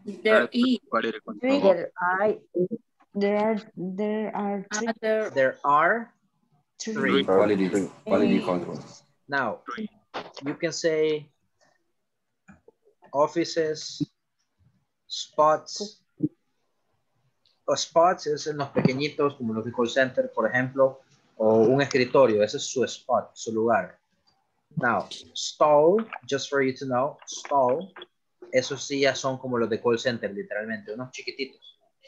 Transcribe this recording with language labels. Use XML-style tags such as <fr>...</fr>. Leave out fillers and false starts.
<en>There are three quality control. Now, you can say offices, spots.</en> <es>Spots es en los pequeñitos, como los de call center, por ejemplo, o un escritorio. Ese es su spot, su lugar.</es> <en>Now, stall, just for you to know, stall.</en> <es>Esos sí ya son como los de call center, literalmente, unos chiquititos.</es>